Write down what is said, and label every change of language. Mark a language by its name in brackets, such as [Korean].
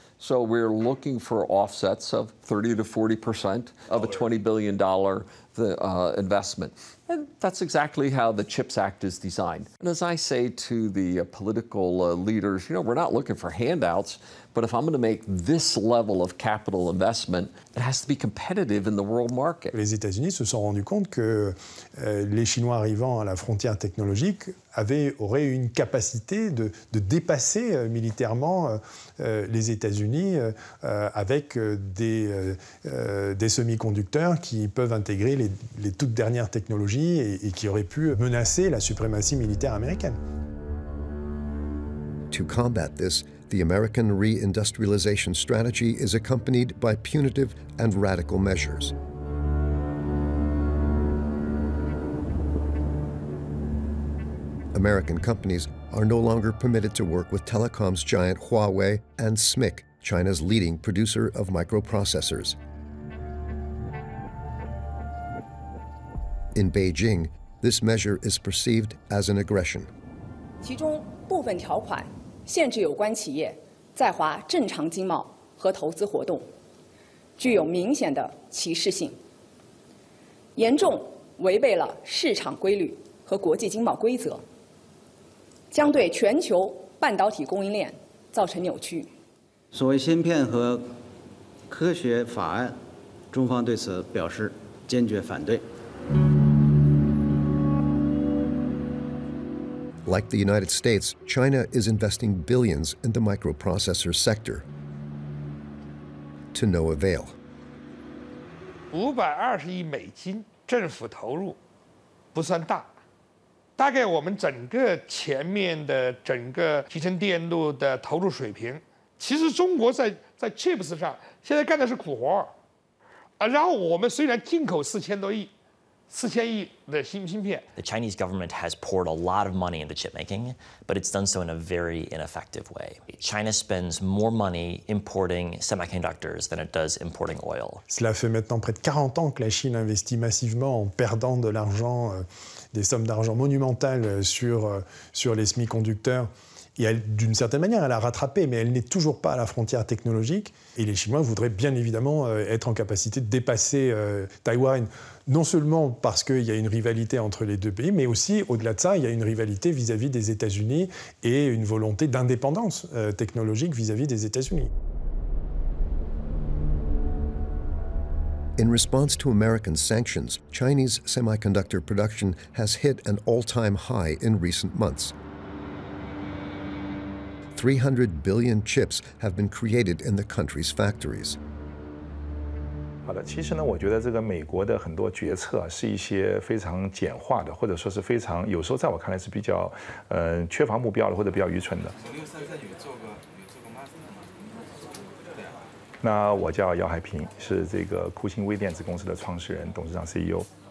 [English] So we're looking for offsets of 30 to 40% of a $20 billion investment. And that's exactly how the CHIPS Act is designed. And as I say to the political leaders, you know, we're not looking for handouts, but if I'm going to make this level of capital investment, it has to be competitive in the world market. [French] Les États-Unis se sont rendus compte que les Chinois arrivant à la frontière technologique auraient une capacité de dépasser militairement les États-Unis avec des semi-conducteurs qui peuvent intégrer les toutes dernières technologies et qui auraient pu menacer la suprématie militaire américaine. [English] To combat this, the American reindustrialization strategy is accompanied by punitive and radical measures. American companies are no longer permitted to work with telecoms giant Huawei and SMIC, China's leading producer of microprocessors. In Beijing, this measure is perceived as an aggression. [Chinese] 其中部分条款限制有关企业在华正常经贸和投资活动，具有明显的歧视性，严重违背了市场规律和国际经贸规则。将对全球半导体供应链造成扭曲。所谓芯片和科学法案，中方对此表示坚决反对。 [English] Like the United States, China is investing billions in the microprocessor sector. To no avail. [Chinese] 520亿美金政府投入不算大。大概我们整个前面的整个集成电路的投入水平，其实中国在 chips 上现在干的是苦活啊。然后我们虽然进口四千亿的芯片。 [English] The Chinese government has poured a lot of money into chip making, but it's done so in a very ineffective way. China spends more money importing semiconductors than it does importing oil. [French] Cela fait maintenant près de 40 ans que la Chine investit massivement en perdant de l'argent. Des sommes d'argent monumentales sur les semi-conducteurs. Et elle, d'une certaine manière, elle a rattrapé, mais elle n'est toujours pas à la frontière technologique. Et les Chinois voudraient bien évidemment être en capacité de dépasser Taïwan, non seulement parce qu'il y a une rivalité entre les deux pays, mais aussi, au-delà de ça, il y a une rivalité vis-à-vis des États-Unis et une volonté d'indépendance technologique vis-à-vis des États-Unis. [English] In response to American sanctions, Chinese semiconductor production has hit an all-time high in recent months. 300 billion chips have been created in the country's factories. [Chinese] 好的，其实呢，我觉得这个美国的很多决策啊，是一些非常简化的，或者说是非常有时候在我看来是比较，缺乏目标的，或者比较愚蠢的。那我叫姚海平，是这个酷星微电子公司的创始人、董事长、CEO。